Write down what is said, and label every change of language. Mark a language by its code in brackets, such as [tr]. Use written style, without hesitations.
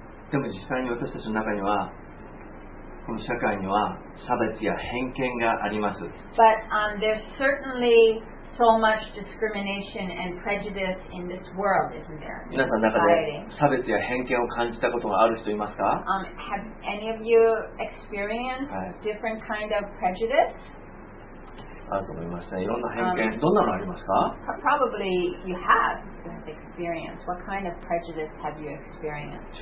[ja] でも実際に私たちの中にはこの社会には差別や偏見があります。 [en] But there's certainly so much discrimination and prejudice in this world, isn't there? [ja] 皆さんの中で差別や偏見を感じたことがある人いますか? [en] Have any of you experienced different kind of prejudice? [ja] あると思いますね。いろんな偏見、どんなのありますか [en] Probably you have you have experienced? What kind of prejudice have you experienced?